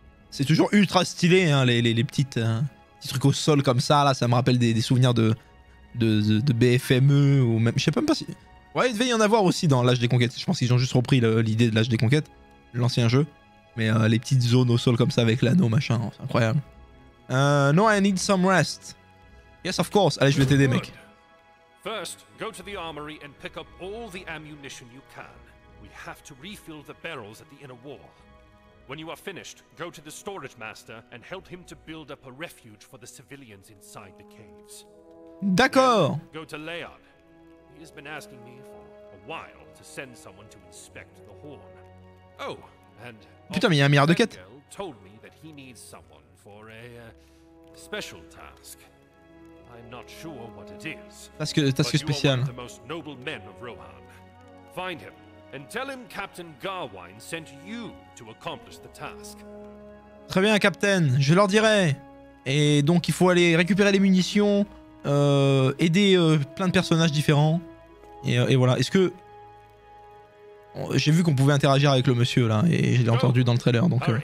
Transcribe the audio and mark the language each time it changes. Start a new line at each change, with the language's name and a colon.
French: C'est toujours ultra stylé, hein, les petites, petits trucs au sol comme ça, là, ça me rappelle des souvenirs de BFME ou même, je sais même pas si... Ouais, il devait y en avoir aussi dans l'âge des conquêtes, je pense qu'ils ont juste repris l'idée de l'âge des conquêtes, l'ancien jeu. Mais les petites zones au sol comme ça avec l'anneau, machin, c'est incroyable.
English: No, I need some rest. Yes, of course.
French: Allez, je vais t'aider, mec.
English: First, go to the armory and pick up all the ammunition you can. We have to refill the barrels at the inner wall. When you are finished, go to the storage master and help him to build up a refuge for the civilians inside the caves.
French: D'accord.
English: Then go to Layard. He has been asking me for a while to send someone to inspect the horn. Oh, and
French: putain, mais il y a un milliard de quêtes.
English: Ogiel told me that he needs someone for a special task. I'm not sure what it is.
French: Tasque spéciale.
English: But you are the most noble men of Rohan. Find him. And tell him Captain Garwine sent you to accomplish the task.
French: Très bien, Capitaine, je leur dirai. Et donc, il faut aller récupérer les munitions, aider plein de personnages différents. Et voilà, est-ce que... J'ai vu qu'on pouvait interagir avec le monsieur, là, et je l'ai entendu dans le trailer, donc...